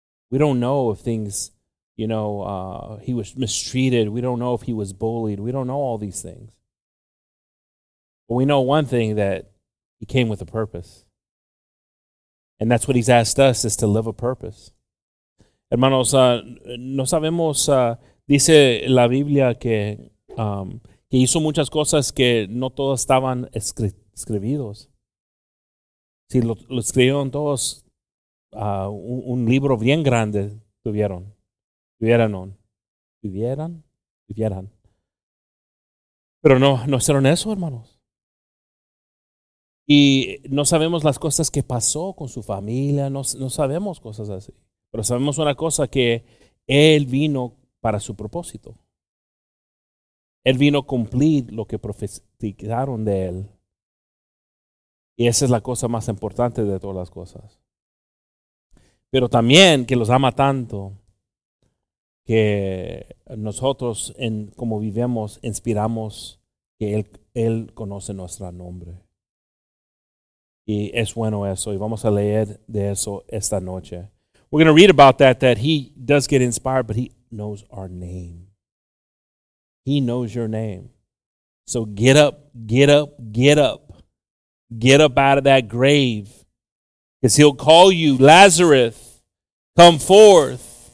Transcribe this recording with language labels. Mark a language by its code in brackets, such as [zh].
[en] We don't know if things, you know, he was mistreated. We don't know if he was bullied. We don't know all these things. But we know one thing, that he came with a purpose. And that's what he's asked us, is to live a purpose. [es] Hermanos, no sabemos, dice la Biblia que hizo muchas cosas que no todas estaban escribidos. Si lo escribieron todos, un libro bien grande tuvieran. Pero no hicieron eso, hermanos. Y no sabemos las cosas que pasó con su familia, no sabemos cosas así. Pero sabemos una cosa, que él vino para su propósito. Él vino a cumplir lo que profetizaron de él. Y esa es la cosa más importante de todas las cosas. Pero también que los ama tanto, que nosotros, en como vivimos, inspiramos que él conoce nuestro nombre. Y es bueno eso, y vamos a leer de eso esta noche. [en] We're going to read about that he does get inspired, but he knows our name. He knows your name. So get up, get up, get up. Get up out of that grave, because he'll call you, Lazarus, come forth.